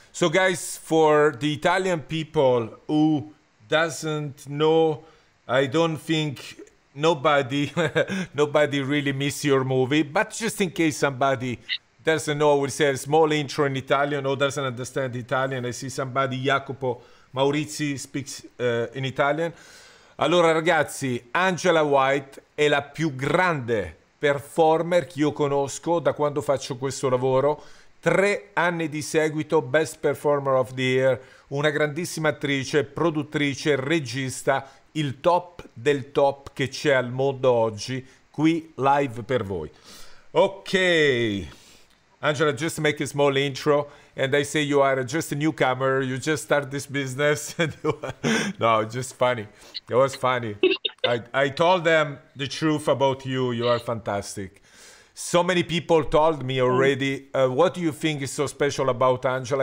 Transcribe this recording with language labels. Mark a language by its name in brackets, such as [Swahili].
[English] So guys, for the Italian people who doesn't know, I don't think nobody really miss your movie, but just in case somebody doesn't know, I would say a small intro in Italian or doesn't understand Italian. I see somebody, Jacopo Maurizi, speaks in Italian. [Italian] Allora ragazzi, Angela White è la più grande performer che io conosco da quando faccio questo lavoro. 3 anni di seguito, [English] Best Performer of the Year, [Italian] una grandissima attrice, produttrice, regista, il top del top che c'è al mondo oggi, qui live per voi. [English] Ok, Angela, just make a small intro. And I say you are just a newcomer. You just start this business. No, just funny. It was funny. I told them the truth about you. You are fantastic. So many people told me already, what do you think is so special about Angela?